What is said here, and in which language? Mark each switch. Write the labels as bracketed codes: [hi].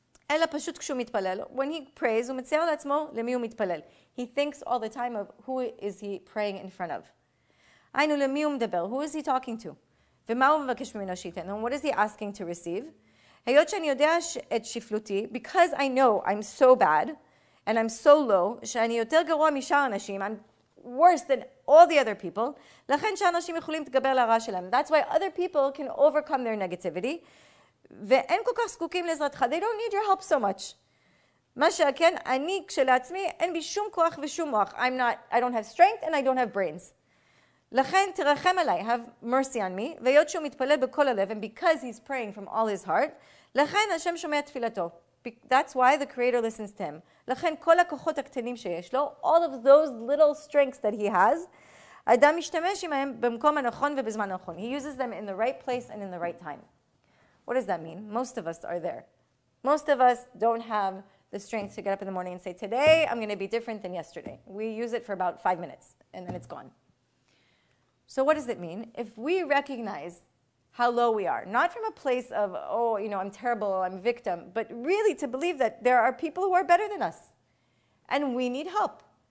[he] אלא פשוט כשהוא מתפלל, [en] when he prays, [he] הוא מצייר לעצמו למי הוא מתפלל. [en] He thinks all the time of who is he praying in front of. [he] היינו, למי הוא מדבר? [en] Who is he talking to? [he] ומה הוא מבקש ממנו שייתן? [en] And what is he asking to receive? [he] היות שאני יודע את שפלותי, [en] because I know I'm so bad, and I'm so low, [he] שאני יותר גרוע משאר אנשים, [en] I'm worse than all the other people, [he] לכן שאנשים יכולים להתגבר לרע שלהם. [en] That's why other people can overcome their negativity, [he] ואין כל כך זקוקים לעזרתך. [en] They don't need your help so much. [he] מה שכן, אני כשלעצמי, אין בי שום כוח ושום מוח. [en] I don't have strength and I don't have brains. [he] לכן תרחם עליי, [en] have mercy on me, [he] והיות שהוא מתפלל בכל הלב, [en] and because he's praying from all his heart, [he] לכן השם שומע תפילתו. [en] That's why the creator listens to him. [he] לכן כל הכוחות הקטנים שיש לו, [en] all of those little strengths that he has, [he] אדם משתמש עמהם במקום הנכון ובזמן הנכון. [en] He uses them in the right place and in the right time. What does that mean? Most of us are there. Most of us don't have the strength to get up in the morning and say, today I'm going to be different than yesterday. We use it for about 5 minutes and then it's gone. So what does it mean? If we recognize how low we are, not from a place of, oh, you know, I'm terrible, I'm a victim, but really to believe that there are people who are better than us and we need help.